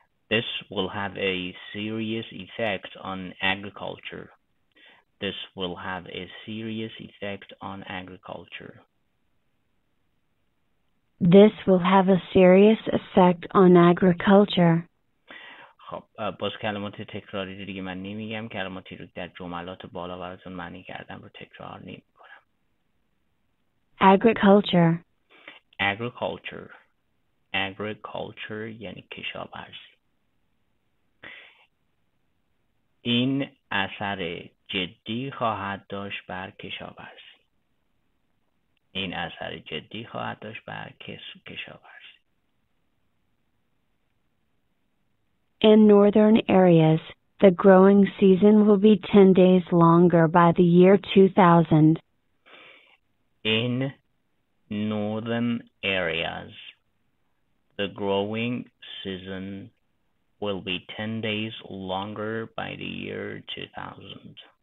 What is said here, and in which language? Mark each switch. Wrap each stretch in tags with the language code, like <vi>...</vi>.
<en>This will have a serious effect on agriculture. This will have a serious effect on agriculture. This will have a serious effect on agriculture.</en> <fa>خب باز کلمات تکراری دیگه من نمیگم. کلماتی رو در جملات بالا براتون معنی کردم رو تکرار نمی کنم.</fa> <en>Agriculture. Agriculture.</en> <fa>Agriculture یعنی کشاورزی. این اثر جدی خواهد داشت بر کشاورزی. این اثر جدی خواهد داشت بر کشاورزی.</fa> <en>In northern areas, the growing season will be 10 days longer by the year 2000. In northern areas, the growing season will be 10 days longer by the year 2000.</en>